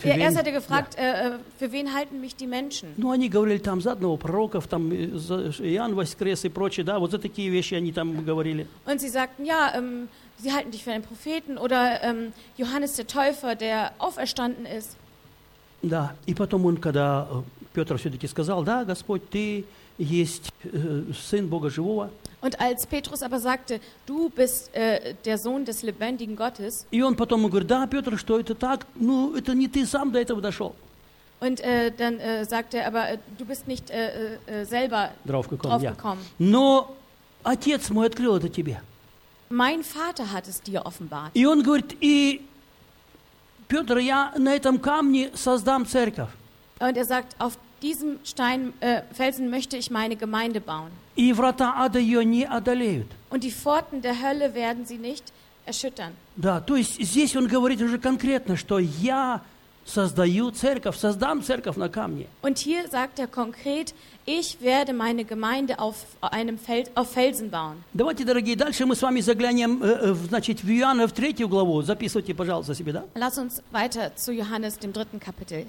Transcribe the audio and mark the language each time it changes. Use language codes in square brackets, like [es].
[de] für, ja, erst hat er gefragt, ja. Für wen halten mich die Menschen? [ru] Ну, они говорили там за одного пророка, там Иоанн воскрес и прочее, да, вот за такие вещи они там говорили. [de] Und sie sagten, ja, sie halten dich für einen Propheten oder Johannes der Täufer, der auferstanden ist. [ru] Да, и потом он, когда Петр все-таки сказал, да, Господь, ты есть Сын Бога Живого. [de] Und als Petrus aber sagte, du bist der Sohn des lebendigen Gottes. [ru] И он потом говорит, да, Петр, что это так? Ну, это не ты сам до этого дошел. [de] Und dann sagte er, aber du bist nicht selber draufgekommen. ja. [ru] Но Отец мой открыл это тебе. [de] Mein Vater hat es dir offenbart. [ru] И он говорит, и Петр, я на этом камне создам церковь. [de] Und sagt, auf diesem Stein, Felsen möchte ich meine Gemeinde bauen. [ru] И врата ада ее не одолеют. [de] Und die Pforten der Hölle werden sie nicht erschüttern. [ru] Да, то есть здесь он говорит уже конкретно, что я создаю церковь, создам церковь на камне. [de] Und hier sagt er konkret, ich werde meine Gemeinde auf einem Feld, auf Felsen bauen. [ru] Давайте, дорогие, дальше мы с вами заглянем, значит, в Иоанна в третью главу. Записывайте, пожалуйста, себе, да? [de] Lass uns weiter zu Johannes, dem dritten Kapitel.